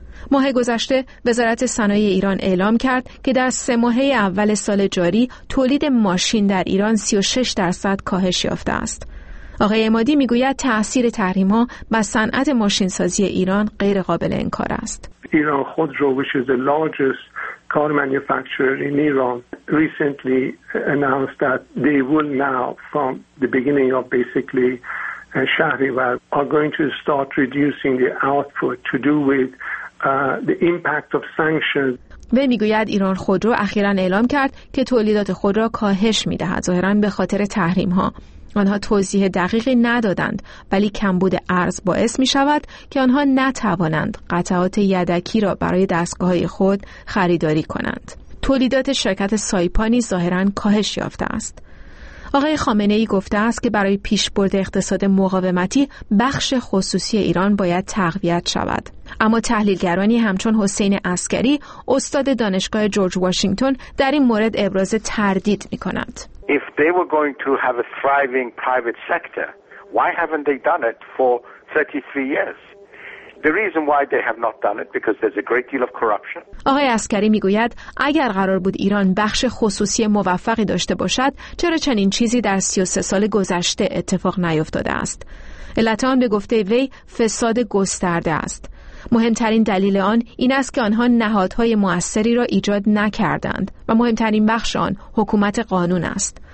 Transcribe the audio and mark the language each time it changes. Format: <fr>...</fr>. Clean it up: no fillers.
<fa>ماه گذشته وزارت صنایع ایران اعلام کرد که در 3 ماهه اول سال جاری تولید ماشین در ایران 36% کاهش یافته است. آقای عمادی می‌گوید تأثیر تحریم‌ها بر صنعت ماشین‌سازی ایران غیر قابل انکار است.</fa> <en>ایران خودرو which is the largest car manufacturer in Iran recently announced that they will now from the beginning of basically Shahrivar are going to start reducing the output to do with the impact of sanctions.</en> <fa>وی میگوید ایران خودرو اخیراً اعلام کرد که تولیدات خود را کاهش می‌دهد، ظاهراً به خاطر تحریم‌ها. آنها توضیح دقیقی ندادند، ولی کمبود ارز باعث می شود که آنها نتوانند قطعات یدکی را برای دستگاه‌های خود خریداری کنند. تولیدات شرکت سایپا نیز ظاهراً کاهش یافته است. آقای خامنه‌ای گفته است که برای پیشبرد اقتصاد مقاومتی بخش خصوصی ایران باید تقویت شود. اما تحلیلگرانی همچون حسین عسکری، استاد دانشگاه جورج واشنگتن، در این مورد ابراز تردید می‌کند.</fa> <en>If they were going to have a thriving private sector, why haven't they done it for 33 years? The reason why they have not done it because there's a great deal of corruption.</en> <fa>آقای عسکری میگوید اگر قرار بود ایران بخش خصوصی موفقی داشته باشد، چرا چنین چیزی در 33 سال گذشته اتفاق نیفتاده است؟ علت آن به گفته وی فساد گسترده است. مهمترین دلیل آن این است که آنها نهادهای مؤثری را ایجاد نکردند و مهمترین بخش آن حکومت قانون است.</fa>